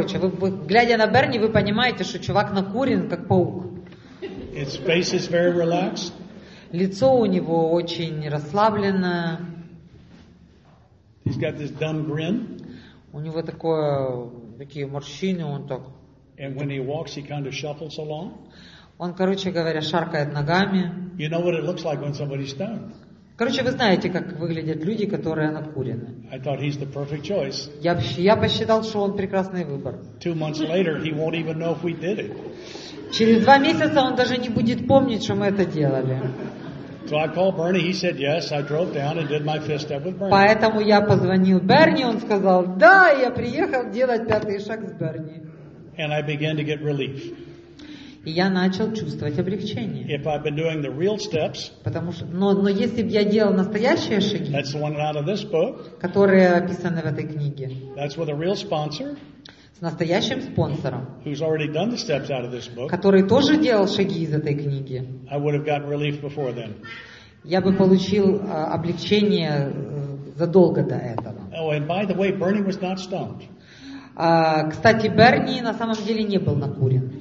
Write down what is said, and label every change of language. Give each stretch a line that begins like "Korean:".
Russian: Вы, глядя на Берни, вы понимаете, что чувак накурен, как паук.
English: His face is very relaxed.
Russian: Лицо у него очень расслаблено.
English: He's got this dumb grin.
Russian: У него такие морщины, он так.
English: And when he walks, he kind of shuffles along.
Russian: Он, короче говоря, шаркает ногами.
English: You know what it looks like when somebody's stoned.
Russian: Короче, вы знаете, как выглядят люди, которые накурены.
English: I thought he's the perfect choice.
Russian: Я посчитал, что он прекрасный выбор.
English: Two months later, he won't even know if we did it.
Russian: Через два месяца он даже не будет помнить, что мы это делали.
English: So I called Bernie. He said yes. I drove down and did my fifth step with Bernie.
Russian: Поэтому я позвонил Берни. Он сказал: да, я приехал делать пятый шаг с Берни.
English: And I began to get relief.
Russian: И я начал чувствовать облегчение.
English: If I've been doing the real steps,
Russian: потому что, но если бы я делал настоящие шаги,
English: that's the one out of this book,
Russian: которые описаны в этой книге,
English: that's with a real sponsor,
Russian: с настоящим спонсором,
English: who's already done the steps out of this book,
Russian: который тоже делал шаги из этой книги,
English: I would have gotten relief before then.
Russian: Я бы получил облегчение задолго до этого.
English: Oh, and by the way, Bernie was not stoned.
Russian: Кстати, Берни на самом деле не был накурен.